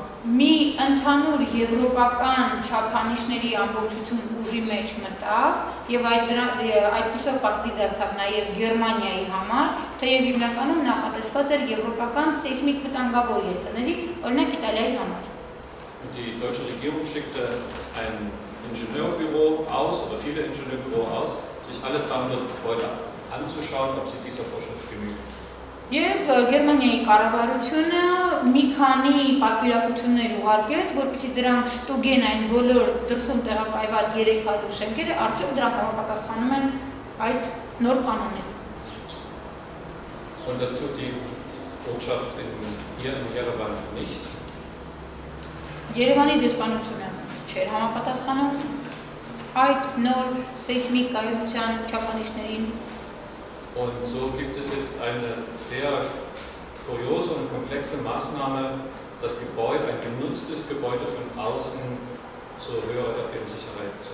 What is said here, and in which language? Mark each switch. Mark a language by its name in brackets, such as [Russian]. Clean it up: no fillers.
[Armenian] Mi ընդհանուր եվրոպական չափանիշների ամբողջություն ուժի մեջ մտավ եւ այդպիսով պատկի դարձավ նաեւ Գերմանիայի համար, թեև հիմնականում նախատեսված էր եվրոպական սեյսմիկ վտանգավոր երկրների, օրինակ Իտալիայի համար. [German] Die deutsche Regierung schickte ein Ingenieurbüro aus oder viele Ingenieurbüro aus, sich alles andere heute anzuschauen, ob sie dieser Vorschrift genügen. [Armenian] Եվ Գերմանիայի կառավարությունը մի քանի պատվիրակություններ ուղարկեց, որպեսզի դրանք ստուգեն այն բոլոր դրսում տեղակայված 300 շենքերը, արդյոք դրանք համապատասխանում են այդ նոր կանոններին։ [German] Und das tut die Botschaft hier in Yerevan nicht. [Armenian] Երևանի դեսպանությունը չէր համապատասխանում այդ նոր սեյսմիկ կայունության չափանիշներին։ [German] Und so gibt es jetzt eine sehr kuriose und komplexe Maßnahme, das Gebäude, ein genutztes Gebäude von außen zur höheren Erdbebensicherheit zu